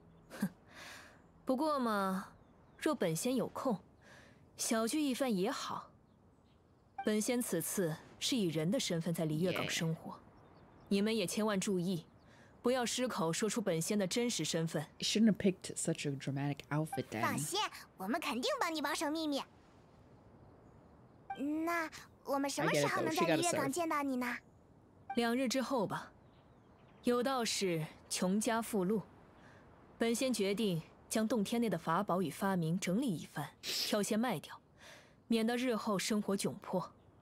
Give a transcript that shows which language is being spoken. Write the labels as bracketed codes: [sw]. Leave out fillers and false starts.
[zh] 哼，不过嘛，若本仙有空，小聚一番也好。本仙此次是以人的身份在离月港生活，你们也千万注意，不要失口说出本仙的真实身份。 [en] You shouldn't have picked such a dramatic outfit, Dan. [zh] 放心，我们肯定帮你保守秘密。那我们什么时候能在离月港见到你呢？两日之后吧。有道是穷家富路，本仙决定将洞天内的法宝与发明整理一番，挑些卖掉，免得日后生活窘迫。